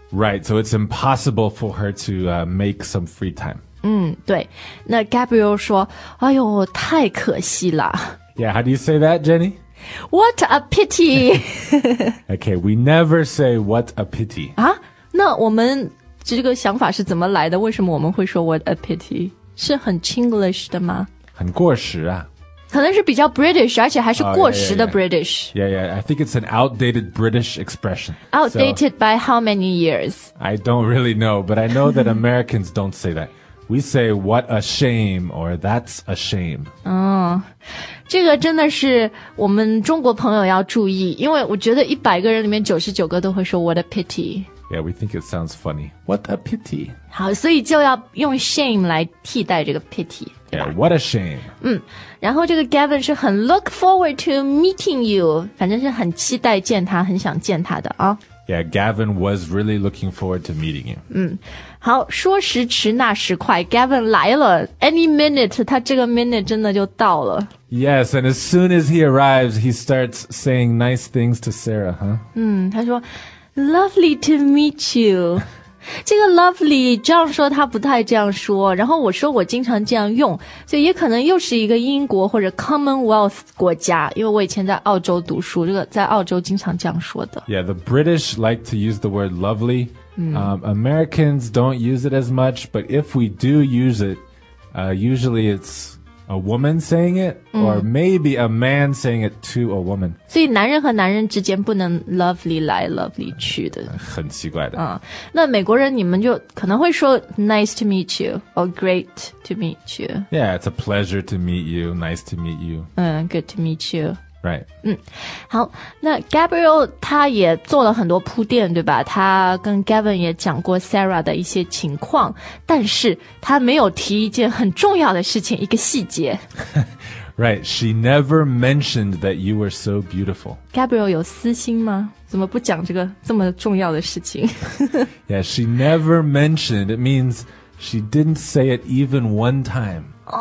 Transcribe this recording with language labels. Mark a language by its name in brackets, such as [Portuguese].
[English] Right, so it's impossible for her to make some free time. [Chinese] 对。那 Gabriel 说哎呦太可惜了。 [English] Yeah, how do you say that, Jenny? What a pity! Okay, we never say what a pity. [Chinese] 那我们这个想法是怎么来的？为什么我们会说 [English] what a pity? [Chinese] 是很 Chinglish 的吗？很过时啊。可能是比较 British, 而且还是过时的 British. [English] Yeah, I think it's an outdated British expression. Outdated by how many years? I don't really know, but I know that Americans don't say that. We say, what a shame, or that's a shame. [Chinese] 这个真的是我们中国朋友要注意，因为我觉得100个人里面99个都会说 [English] what a pity. Yeah, we think it sounds funny. What a pity. [Chinese] 好，所以就要用 shame 来替代这个 pity, 对吧？ [English] Yeah, what a shame. [Chinese] 然后这个 Gavin 是很 [English] look forward to meeting you, [Chinese] 反正是很期待见他，很想见他的啊。 [English] Yeah, Gavin was really looking forward to meeting him. [Chinese] 好，说时迟那时快 ,Gavin 来了 , [English] any minute, [Chinese] 他这个 minute 真的就到了。 [English] Yes, and as soon as he arrives, he starts saying nice things to Sarah, huh? [Chinese] 他说 [English] ,lovely to meet you. [Chinese] 这个 lovely, 这样说他不太这样说，然后我说我经常这样用，所以也可能又是一个英国或者 Commonwealth 国家，因为我以前在澳洲读书，这个在澳洲经常这样说的。 [English] Yeah, the British like to use the word lovely. Americans don't use it as much, but if we do use it, usually it's a woman saying it, or maybe a man saying it to a woman. [Chinese] 所以男人和男人之间不能 lovely 来 lovely 去的。很奇怪的。那美国人你们就可能会说 [English] nice to meet you, or great to meet you. Yeah, it's a pleasure to meet you, nice to meet you. Good to meet you. Right. [Chinese] 好，那 Gabriel 他也做了很多铺垫，对吧？他跟 Gavin 也讲过 Sarah 的一些情况，但是他没有提一件很重要的事情，一个细节。 [English] Right, she never mentioned that you were so beautiful. [Chinese] Gabriel 有私心吗？怎么不讲这个这么重要的事情？ [English] Yeah, she never mentioned. It means she didn't say it even one time.